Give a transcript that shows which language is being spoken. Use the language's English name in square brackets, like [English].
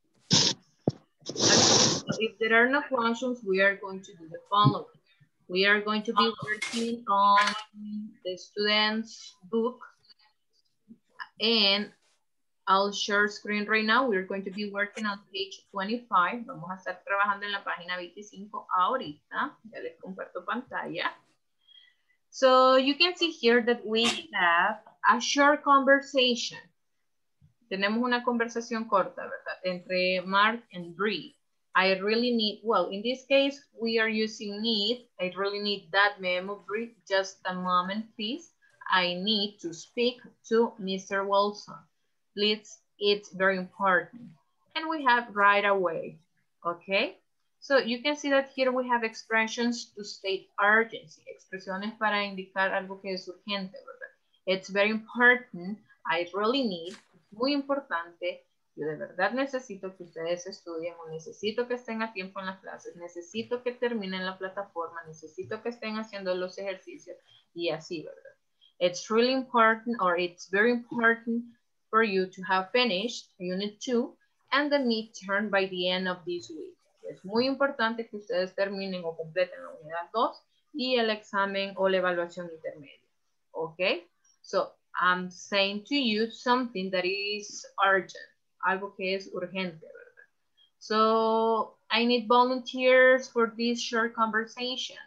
[English] If there are no questions, we are going to do the following. We are going to be working on the student's book, and I'll share screen right now. We are going to be working on page 25. [Spanish] Vamos a estar trabajando en la página 25 ahorita. Ya les comparto pantalla. [English] So you can see here that we have a short conversation. [Spanish] Tenemos una conversación corta, ¿verdad? Entre Mark and Bree. [English] I really need, well, in this case, we are using need. I really need that memory. Just a moment, please. I need to speak to Mr. Wilson. Please, it's very important. And we have right away, okay? So you can see that here we have expressions to state urgency. [Spanish] Expresiones para indicar algo que es urgente, ¿verdad? [English] It's very important. I really need. [Spanish] Muy importante. Yo de verdad necesito que ustedes estudien, o necesito que estén a tiempo en las clases, necesito que terminen la plataforma, necesito que estén haciendo los ejercicios, y así, ¿verdad? [English] It's really important, or it's very important for you to have finished unit 2 and the midterm by the end of this week. [Spanish] Es muy importante que ustedes terminen o completen la unidad 2 y el examen o la evaluación intermedia. [English] Okay? So, I'm saying to you something that is urgent. [Spanish] Algo que es urgente, ¿verdad? [English] So, I need volunteers for this short conversation.